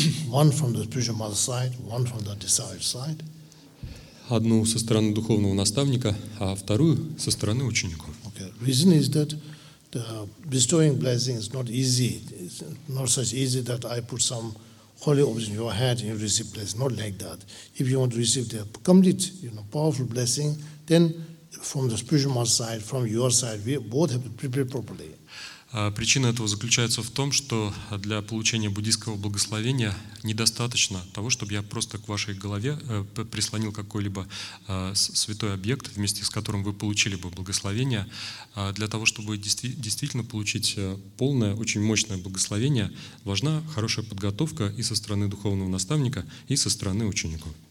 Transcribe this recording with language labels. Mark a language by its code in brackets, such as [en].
[en] One from the spiritual mother side, one from the disciple side. [ru] Одну со стороны духовного наставника, а вторую со стороны учеников. [en] Okay. Reason is that the bestowing blessing is not easy. It's not such easy that I put some holy oil in your head and you receive blessing. Not like that. If you want to receive the complete, you know, powerful blessing, then from the spiritual mother side, from your side, we both have to prepare properly. [ru] Причина этого заключается в том, что для получения буддийского благословения недостаточно того, чтобы я просто к вашей голове прислонил какой-либо святой объект, вместе с которым вы получили бы благословение. Для того, чтобы действительно получить полное, очень мощное благословение, важна хорошая подготовка и со стороны духовного наставника, и со стороны учеников.